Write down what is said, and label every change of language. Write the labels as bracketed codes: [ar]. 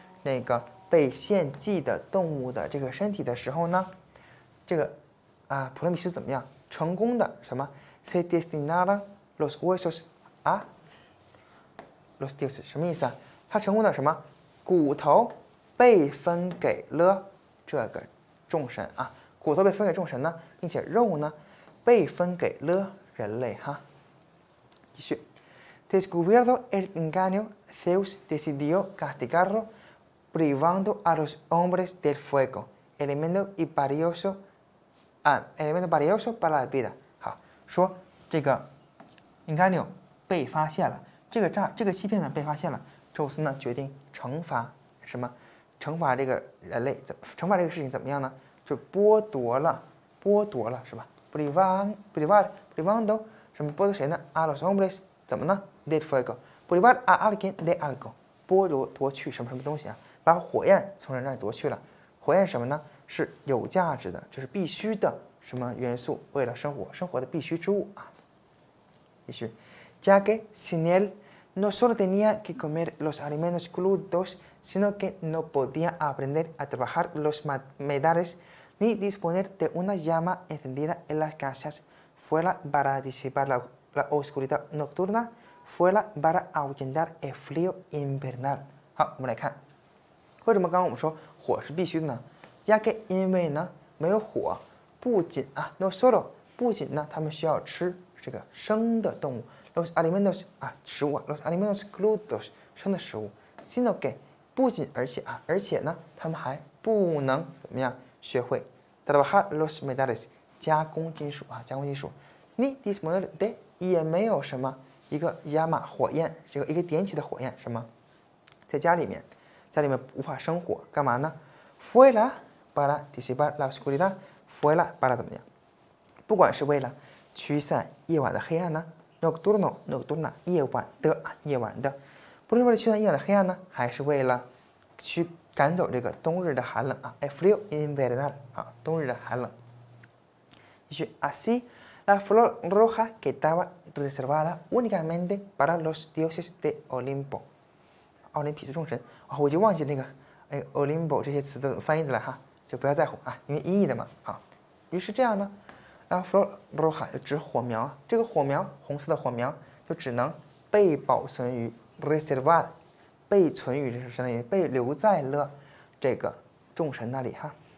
[zh] 那个被献祭的动物的这个身体的时候呢，这个啊普罗米修斯怎么样成功的什么 [es] se destinara los huesos a los dioses [zh] 什么意思啊？他成功的什么骨头？被分给了这个众神啊，骨头被分给众神呢，并且肉呢被分给了人类哈。继续， [es] Descubierto el engaño, Zeus decidió castigarlo, privando a los hombres del fuego, elemento valioso para la vida。 [zh] 好，说这个 engaño 被发现了，这个欺骗呢被发现了，宙斯呢决定惩罚什么？惩罚这个人类，惩罚这个事情怎么样呢？就剥夺了，是吧？privando 什么剥夺谁呢？ [es] a los hombres [zh] 怎么呢？ [es] de fuego privar a alguien de algo [zh] 剥夺去什么什么东西啊？把火焰从人那里夺去了。火焰什么呢？是有价值的，就是必须的什么元素，为了生活的必须之物啊。 [es] 继续，ya que sin él no solo tenía que comer los alimentos crudos。 sino que no podía aprender a trabajar los metales ni disponer de una llama encendida en las casas fuera para disipar la oscuridad nocturna fuera para ahuyentar el frío invernal。 [zh] 好，我们来看为什么刚刚我们说火是必须的呢？ [es] ya que [zh] 因为呢没有火，不仅啊 [es] no solo [zh] 不仅呢，他们需要吃这个生的动物 ， [es] los alimentos [zh] 啊，食物 ， [es] los alimentos crudos [zh] 生的食物 ， [es] sino que [zh] 不仅而且啊，而且呢，他们还不能怎么样学会 [es] trabajar los metales [zh] 加工金属啊，加工金属 [es] ni disponer de [zh] 也没有什么一个亚马火焰，这个一个点起的火焰什么，在家里面，家里面无法生火，干嘛呢 ？ [es] Fuera para disipar la oscuridad。 Fuera para [zh] 怎么样？不管是为了驱散夜晚的黑暗呢 ， [es] nocturno nocturna [zh] 夜晚的夜晚的，不是为了驱散夜晚的黑暗呢，还是为了去赶走这个冬日的寒冷啊 ， [es] el frío invernal [zh] 啊，冬日的寒冷。继续 ， [es] así la flor roja que estaba reservada únicamente para los dioses de Olimpo， [zh] 奥林匹斯众神啊，我就忘记那个哎 ，Olimpo 这些词都怎么翻译的了哈。就不要在乎啊，因为音译的嘛。好，于是这样呢，然后 [es] flor roja [zh] 就指火苗，这个火苗红色的火苗就只能被保存于 reservar， 被存于这是相当于被留在了这个众神那里哈。